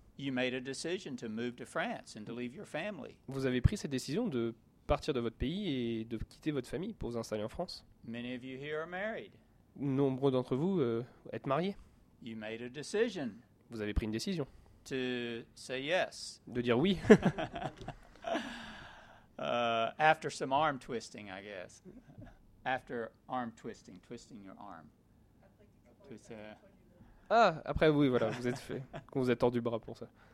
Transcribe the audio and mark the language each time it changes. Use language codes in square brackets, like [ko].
[en] You made a decision to move to France and to leave your family. [fr] Vous avez pris cette décision de partir de votre pays et de quitter votre famille pour vous installer en France. [en] Many of you here are married. [fr] Nombreux d'entre vous êtes mariés. [en] You made a decision. [fr] Vous avez pris une décision. [en] To say yes. [fr] De dire oui. [en] After some arm twisting, I guess. After arm twisting, twisting your arm. [fr] Ah, après oui, voilà, vous êtes fait, qu'on vous a tordu le bras pour ça.